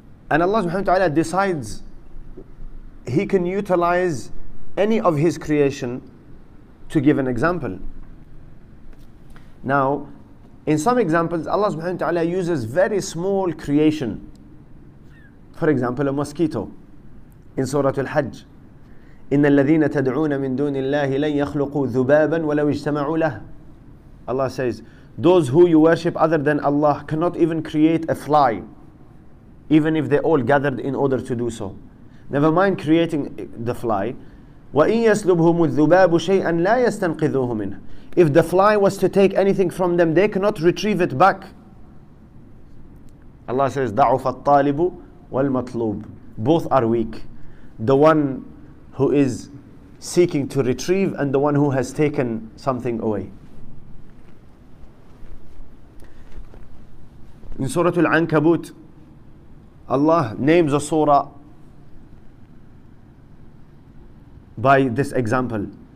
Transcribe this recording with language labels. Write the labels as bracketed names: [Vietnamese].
[English] And Allah subhanahu wa ta'ala decides He can utilize any of His creation to give an example. Now, in some examples, Allah subhanahu wa ta'ala uses very small creation. For example, a mosquito. In Surah Al-Hajj, [Arabic] إِنَّ الَّذِينَ تَدْعُونَ مِن دُونِ اللَّهِ لَنْ يَخْلُقُوا ذُبَابًا وَلَوْ اجْتَمَعُوا لَهُ. [English] Allah says, those who you worship other than Allah cannot even create a fly, even if they all gathered in order to do so. Never mind creating the fly. [Arabic] وَإِن يَسْلُبْهُمُ الذُّبَابُ شَيْئًا لَا يَسْتَنْقِذُوهُ مِنْهُ. [English] If the fly was to take anything from them, they cannot retrieve it back. Allah says, [Arabic] ضَعُفَ الطَّالِبُ وَالْمَطْلُوبُ. [English] Both are weak. The one who is seeking to retrieve and the one who has taken something away. In Surah Al-Ankabut, Allah names a surah by this example.